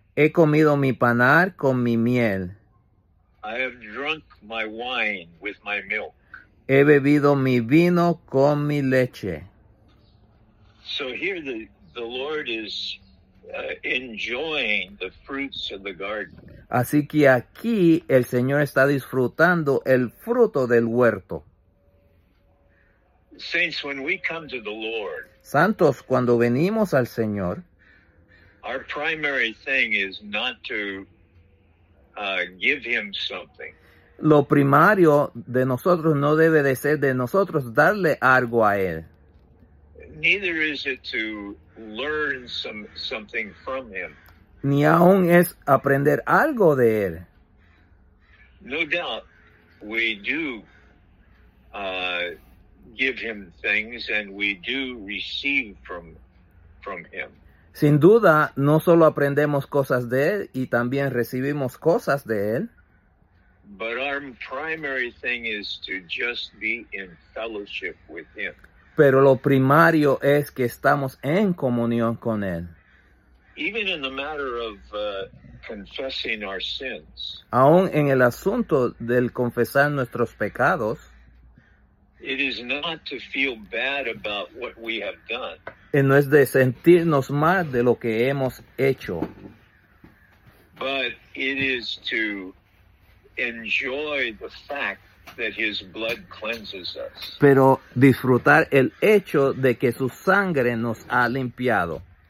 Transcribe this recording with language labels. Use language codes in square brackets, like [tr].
[es] He comido mi panal con mi miel. [en] I have drunk my wine with my milk. [es] He bebido mi vino con mi leche. [en] So here the Lord is enjoying the fruits of the garden. [es] Así que aquí el Señor está disfrutando el fruto del huerto. [en] Saints, when we come to the Lord, [es] santos, cuando venimos al Señor, [en] our primary thing is not to give him something. [es] Lo primario de nosotros no debe de ser de nosotros darle algo a él. [en] Neither is it to learn something from him. [es] Ni aún es aprender algo de él. [en] No doubt we do give him things and we do receive from him. [es] Sin duda, no solo aprendemos cosas de él y también recibimos cosas de él. [en] But our primary thing is to just be in fellowship with him. [es] Pero lo primario es que estamos en comunión con él. [en] Even in the matter of confessing our sins. [es] Aún en el asunto del confesar nuestros pecados. [en] It is not to feel bad about what we have done. [es] Y no es de sentirnos mal de lo que hemos hecho. [en] But it is to enjoy the fact that his blood cleanses us. [es] Pero disfrutar el hecho de que su sangre nos ha limpiado.